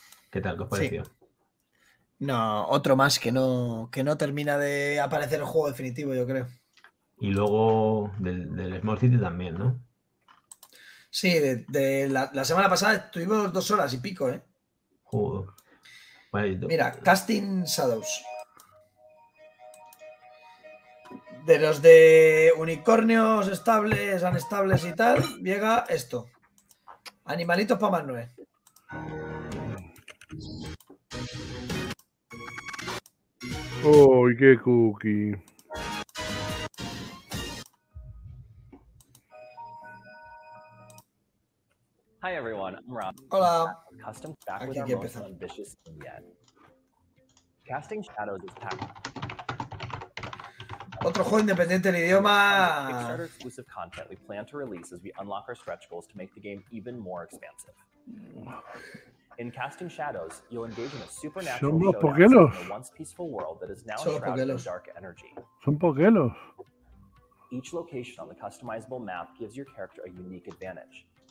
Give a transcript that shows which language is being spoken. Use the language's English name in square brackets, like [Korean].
[Spanish] ¿Qué tal? ¿Qué os pareció? Sí. No, otro más que no termina de aparecer el juego definitivo, yo creo. Y luego del Small City también, ¿no? Sí, de la semana pasada estuvimos 2 horas y pico, ¿eh? Joder. Vale, mira, Casting Shadows. De los de unicornios estables, anestables y tal, llega esto. Animalitos para Manuel. ¡Uy, qué cookie! [English] Hi everyone, I'm Rob. [Spanish] Hola. [English] Custom stack with our most ambitious team yet. Casting Shadows is packed. [Spanish] Otro juego independiente del idioma. [English] Kickstarter exclusive content we plan to release as we unlock our stretch goals to make the game even more expansive. In Casting Shadows, you'll engage in a supernatural showdown in a once peaceful world that is now shrouded in dark energy. [Spanish] Son poquelos. [English] Each location on the customizable map gives your character a unique advantage.